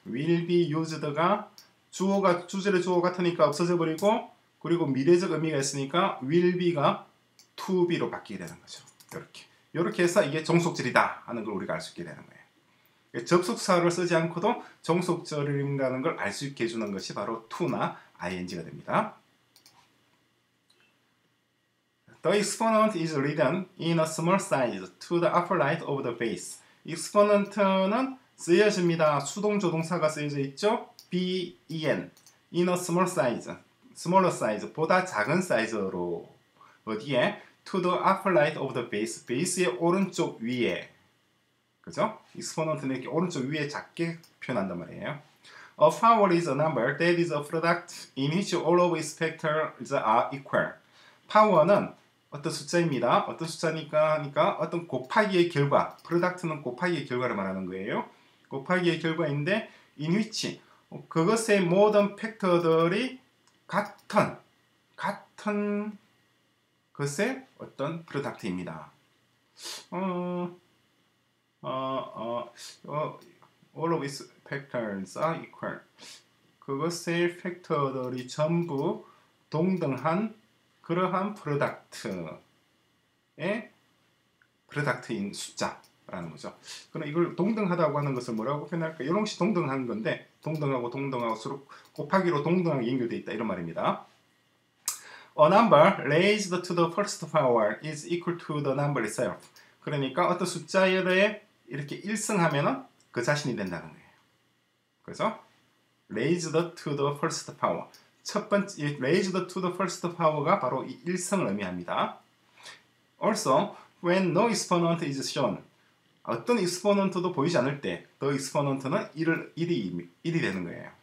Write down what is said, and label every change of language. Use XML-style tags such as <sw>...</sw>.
<en>Will be used</en> <ko>가 주어가 주제를 주어 같으니까 없어져 버리고 그리고 미래적 의미가 있으니까 will be가 to be로 바뀌게 되는 거죠. 이렇게. 이렇게 해서 이게 종속절이다 하는 걸 우리가 알 수 있게 되는 거예요. 접속사를 쓰지 않고도 종속절이라는 걸 알 수 있게 해주는 것이 바로 to나 ing가 됩니다.</ko> <en>The exponent is written in a small size to the upper right of the base.</en> <ko>Exponent는 쓰여집니다. 수동 조동사가 쓰여져 있죠.</ko> <en>ben in a small size, smaller size</en> <ko>보다 작은 사이즈로 어디에?</ko> <en>To the upper right of the base.</en> <ko>베이스의 오른쪽 위에. 그죠? Exponent는 이렇게 오른쪽 위에 작게 표현한단 말이에요.</ko> <en>A power is a number that is a product in which all of its factors are equal.</en> <ko>Power는 어떤 숫자입니다. 어떤 숫자니까 하니까 어떤 곱하기의 결과. Product는 곱하기의 결과를 말하는 거예요. 곱하기의 결과인데</ko> <en>in which</en> <ko>그것의 모든 팩터들이 같은 그것의 어떤 프로덕트입니다.</ko> <en>All of its factors are equal.</en> <ko>그것의 팩터들이 전부 동등한 그러한 프로덕트의 프로덕트인 숫자라는 거죠. 그럼 이걸 동등하다고 하는 것을 뭐라고 표현할까? 이런 것이 동등한 건데 동등하고 동등할수록 곱하기로 동등하게 연결되어 있다 이런 말입니다.</ko> <en>A number raised to the first power is equal to the number itself.</en> <ko>그러니까 어떤 숫자에 대해 이렇게 1승하면 그 자신이 된다는 거예요. 그래서</ko> <en>raised to the first power.</en> <ko>첫 번째</ko> <en>raised to the first power가</en> <ko>바로 이 일성을 의미합니다.</ko> <en>Also, when no exponent is shown,</en> <ko>어떤 exponent도 보이지 않을 때, the exponent는 1이 되는 거예요.</ko>